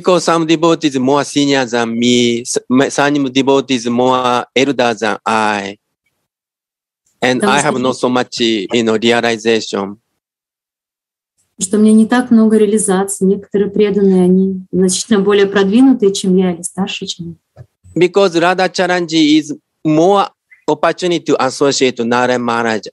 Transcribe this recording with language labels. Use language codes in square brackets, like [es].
[en] Because some devotees are more senior than me, some devotees are more elder than I, and I have not so much, you know, realization. [ru] Что у меня не так много реализации. Некоторые преданные, они значительно более продвинутые, чем я, или старше, чем я. [en] Because Radha Charanji is more opportunity to associate Narayan Maharaj.